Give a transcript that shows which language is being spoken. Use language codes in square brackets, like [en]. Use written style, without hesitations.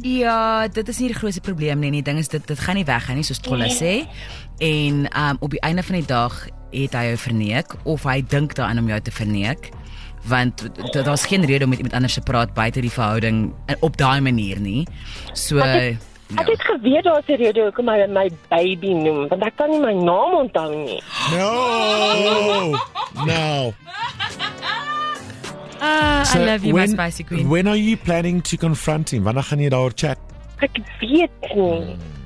[af] Ja, dit is nie die grootste probleem nie. Die ding is dit gaan nie weg nie, soos Tolle sê. En op die einde van die dag het hy jou verneek of hy dink daaraan om jou te verneek. Want daar's geen rede om met iemand anders te praat buite die verhouding op daai manier nie. So ek het geweet daar's 'n rede hoekom hy my baby noem, want ek kan nie my naam onthou nie. [en] No. No. So I love you, my spicy queen. When are you planning to confront him? [af] Wanneer gaan jy daaroor chat? Ek weet nie.